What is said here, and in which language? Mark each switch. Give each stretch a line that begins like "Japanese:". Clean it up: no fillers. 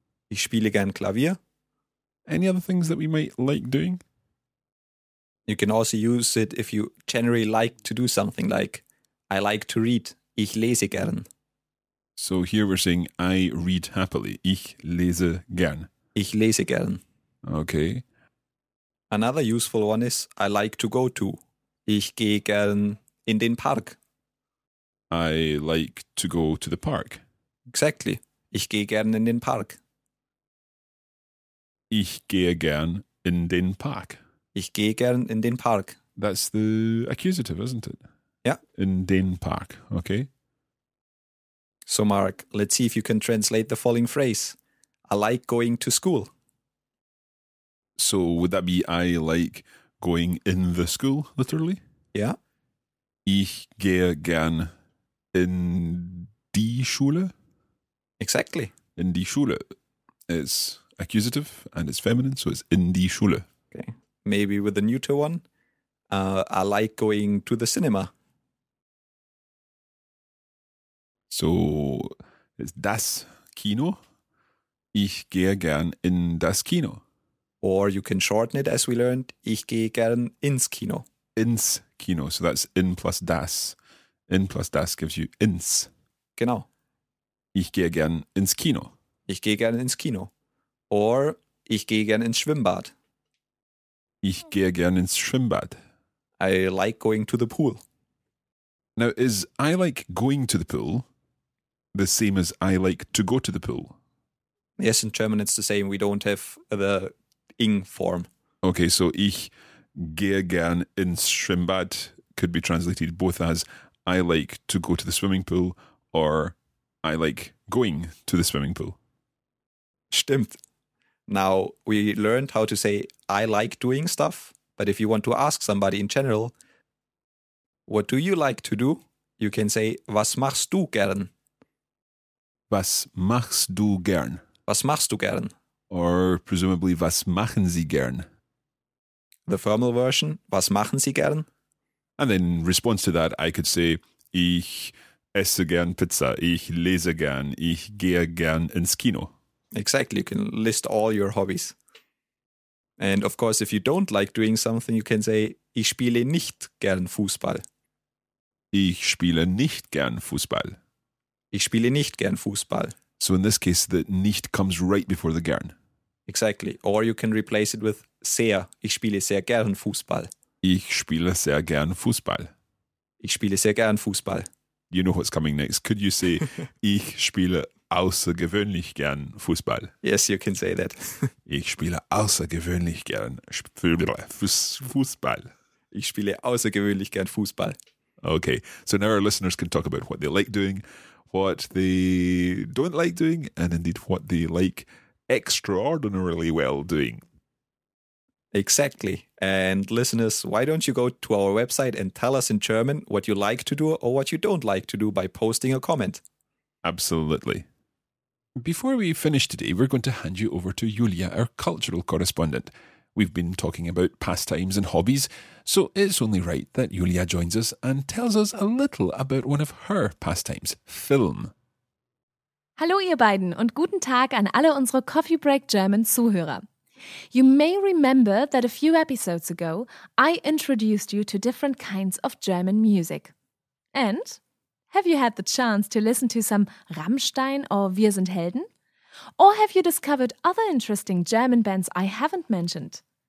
German: Ich spiele gern Klavier.
English: Any other things that we might like doing? You can also use it if you generally like to do something, like I like to read.
German: Ich lese gern.
English: So here we're saying I read happily.
German: Ich lese gern. Ich lese gern.
English: Okay. Another useful one is I like to go to.
German: Ich gehe gern in den Park.
English: I like to go to the park. Exactly.
German: Ich gehe gern in den Park. Ich gehe gern in den Park. Ich gehe gern in den Park.
English: That's the accusative, isn't it? Yeah.
German: In den Park. Okay.
English: So, Mark, let's see if you can translate the following phrase. I like going to school. So, would that be I like going in the school, literally? Yeah.
German: Ich gehe gern in die Schule.
English: Exactly.
German: In die Schule.
English: It's accusative and it's feminine, so it's in die Schule. Okay. Maybe with the neuter one. I like going to the cinema. So, it's das Kino.
German: Ich gehe gern in das Kino.
English: Or you can shorten it as we learned.
German: Ich gehe gern ins Kino. Ins Kino.
English: So that's in plus das. In plus das gives you ins.
German: Genau. Ich gehe gern ins Kino. Ich gehe gern ins Kino. Or ich gehe gern ins Schwimmbad. Ich gehe gern ins Schwimmbad.
English: I like going to the pool. Now, is I like going to the pool the same as I like to go to the pool? Yes, in German it's the same. We don't have the ing form. Okay, so
German: ich gehe gern ins Schwimmbad
English: could be translated both as I like to go to the swimming pool or I like going to the swimming pool.
German: Stimmt.
English: Now, we learned how to say I like doing stuff, but if you want to ask somebody in general, what do you like to do? You can say,
German: was machst du gern?
English: Was machst du gern? Was machst du gern? Or presumably,
German: was machen Sie gern?
English: The formal version,
German: was machen Sie gern?
English: And then in response to that, I could say,
German: ich esse gern Pizza, ich lese gern, ich gehe gern ins Kino.
English: Exactly, you can list all your hobbies. And of course, if you don't like doing something, you can say,
German: ich spiele nicht gern Fußball.
English: Ich spiele nicht gern Fußball. Ich spiele nicht gern Fußball. So in this case, the
German: nicht
English: comes right before the gern. Exactly. Or you can replace it with sehr.
German: Ich spiele sehr gern Fußball. Ich spiele sehr gern Fußball. Ich spiele sehr gern Fußball.
English: you know what's coming next. Could you say,
German: ich spiele außergewöhnlich gern Fußball?
English: Yes, you can say that.
German: Ich spiele außergewöhnlich gern Fußball. Ich spiele außergewöhnlich gern Fußball.
English: Okay, so now our listeners can talk about what they like doing, what they don't like doing, and indeed what they like extraordinarily well doing. Exactly. And listeners, why don't you go to our website and tell us in German what you like to do or what you don't like to do by posting a comment? Absolutely. Before we finish today, we're going to hand you over to Julia, our cultural correspondent. We've been talking about pastimes and hobbies, so it's only right that Julia joins us and tells us a little about one of her pastimes, film.
German: Hallo ihr beiden und guten Tag an alle unsere Coffee Break German Zuhörer.
English: You may remember that a few episodes ago, I introduced you to different kinds of German music. And have you had the chance to listen to some Rammstein or Wir sind Helden? Or have you discovered other interesting German bands I haven't mentioned?